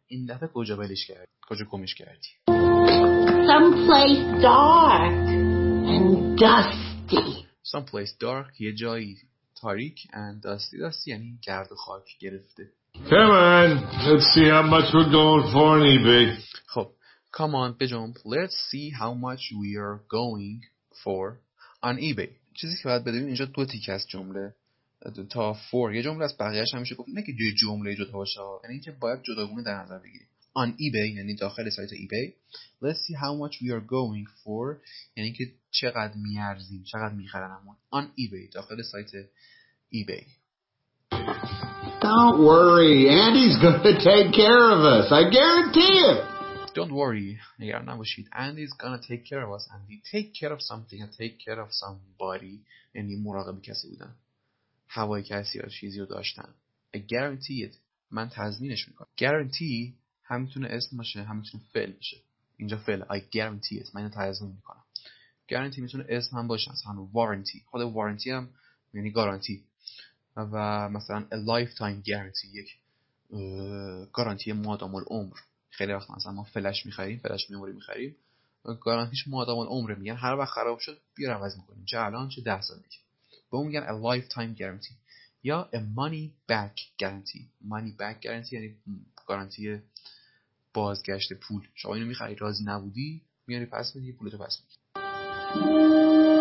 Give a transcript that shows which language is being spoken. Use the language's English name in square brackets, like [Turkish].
[Persian] این دفعه کجا بدش کردی؟ کجا گمش کردی؟ [English] Someplace dark and dusty. Someplace dark, [Persian] یه جایی تاریک [English] and dusty. [Persian] Dusty یعنی گرد و خاک گرفته. [English] Come on, let's see how much we're going for on eBay. [Persian] خب, [English] come on, [Persian] بجنب. [English] Let's see how much we are going for on eBay. [Persian] چیزی که باید بدونیم اینجا دو تیک از جمله. تا فور یه جمله از بقیهش همیشه گفت نه که دو جمله جدا باشه یعنی اینکه باید جداگونه در نظر بگیریم [English] on eBay [Persian] یعنی داخل سایت eBay [English] let's see how much we are going for [Persian] یعنی که چقدر میارزیم چقدر میخرنمون on eBay داخل سایت eBay [English] don't worry Andy's gonna take care of us I guarantee it don't worry [Persian] نگران نباشید [English] Andy's gonna take care of us Andy take care of something and take care of somebody [Persian] یعنی مراقب کسی بودن هوای کسی یا چیزی رو داشتن. [English] I guarantee it. [Persian] من تضمینش میکنم. Guarantee هم میتونه اسم باشه هم میتونه فعل باشه. اینجا فعل. [English] I guarantee it. [Persian] من اینو تضمین میکنم. Guarantee میتونه اسم هم باشه. مثلا warranty. خود warranty هم یعنی گارانتی. و مثلا [English] a lifetime guarantee. [Persian] یک گارانتی مادام العمر. خیلی وقت مثلا ما فلش میخریم. فلش میموری میخریم. گارانتیش مادام العمر میگن. هر وقت خراب شد بیارم از میکنیم. چه الان چه 10 سال دیگه. به اون میگن [English] a lifetime guarantee [Persian] یا [English] a money back guarantee money back guarantee [Persian] یعنی گارانتی بازگشت پول شما اینو میخوایی راضی نبودی میاری پس میدی پولتو پس میدی